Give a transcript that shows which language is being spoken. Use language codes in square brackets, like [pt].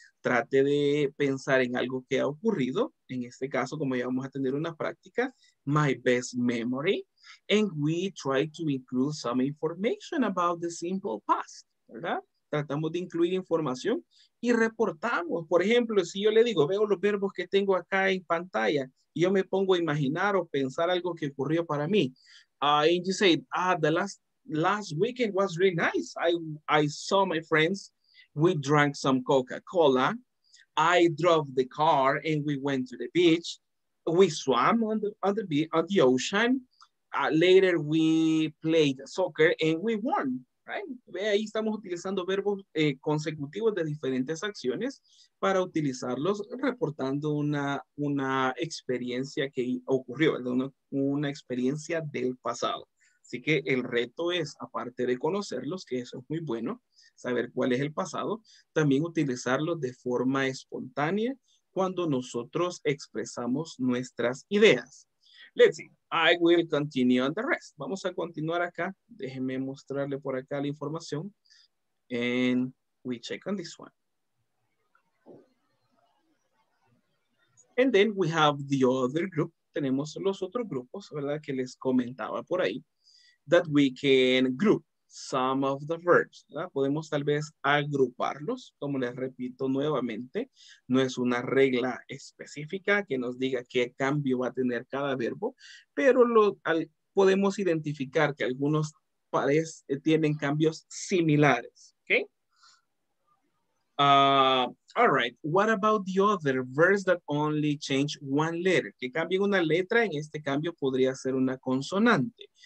[es] Trate de pensar en algo que ha ocurrido, en este caso como ya vamos a tener una práctica, [en] my best memory, and we try to include some information about the simple past, [es] ¿verdad? tratamos de incluir información y reportamos. Por ejemplo, si yo le digo, veo los verbos que tengo acá en pantalla, y yo me pongo a imaginar o pensar algo que ocurrió para mí. [en] And you say, the last weekend was really nice. I saw my friends. We drank some Coca-Cola. I drove the car and we went to the beach. We swam on the ocean. Later we played soccer and we won, right? [es] Ve, ahí estamos utilizando verbos consecutivos de diferentes acciones para utilizarlos reportando una experiencia que ocurrió, ¿verdad? Una experiencia del pasado. Así que el reto es, aparte de conocerlos, que eso es muy bueno, saber cuál es el pasado, también utilizarlos de forma espontánea cuando nosotros expresamos nuestras ideas. [en] Let's see. I will continue on the rest. [es] Vamos a continuar acá. Déjenme mostrarle por acá la información. [en] And we check on this one. And then we have the other group. [es] Tenemos los otros grupos, ¿verdad? Que les comentaba por ahí. [en] That we can group some of the verbs. [es] ¿Verdad? Podemos tal vez agruparlos. Como les repito nuevamente, no es una regla específica que nos diga qué cambio va a tener cada verbo, pero podemos identificar que algunos tienen cambios similares. ¿Ok? [en] All right. What about the other verbs that only change one letter? [es] Que cambien una letra, en este cambio podría ser una consonante.